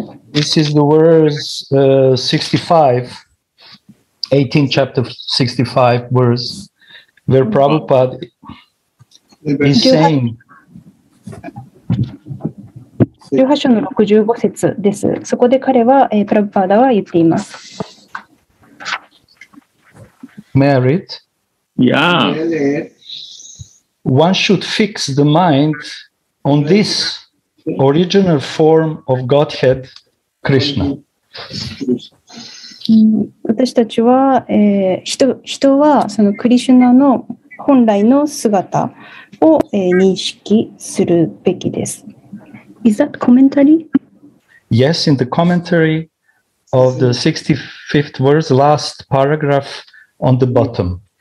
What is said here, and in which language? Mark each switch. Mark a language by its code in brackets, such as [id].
[en] This is the verse 65, 18 chapter 65 verse, where Prabhupada is saying. [ja] 18 章の65節です。そこで彼は、プラブパーダは言っています。 [en] Merit? Yeah. One should fix the mind on this original form of Godhead, Krishna. [ja] 私たちは、人はそのクリシュナの本来の姿を、認識するべきです。 [en] Is that commentary? Yes, in the commentary of the 65th verse, last paragraph on the bottom.